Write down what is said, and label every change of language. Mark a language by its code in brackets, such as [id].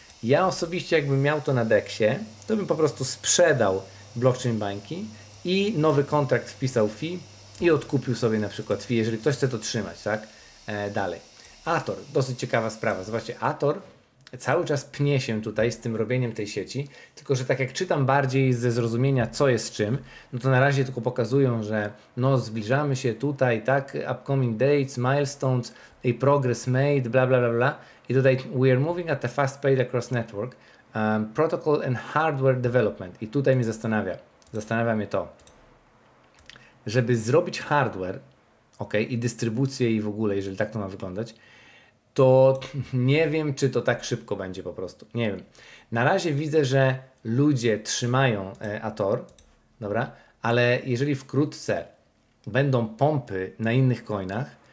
[pl] Ja osobiście, jakbym miał to na DEX-ie, to bym po prostu sprzedał Blockchain Banki i nowy kontrakt wpisał fee i odkupił sobie na przykład fee, jeżeli ktoś chce to trzymać, tak? Dalej. Ator, dosyć ciekawa sprawa. Zobaczcie, Ator cały czas pnie się tutaj z tym robieniem tej sieci, tylko że tak jak czytam bardziej ze zrozumienia, co jest czym, no to na razie tylko pokazują, że no zbliżamy się tutaj, tak? [en] Upcoming dates, milestones, a progress made, bla bla bla bla. [pl] I tutaj [en] we are moving at a fast pace across network. Protocol and hardware development. [pl] I tutaj mnie zastanawia. Zastanawia mnie to. Żeby zrobić hardware, ok, i dystrybucję i w ogóle, jeżeli tak to ma wyglądać, to nie wiem, czy to tak szybko będzie po prostu. Nie wiem. Na razie widzę, że ludzie trzymają Ator, dobra, ale jeżeli wkrótce będą pompy na innych coinach,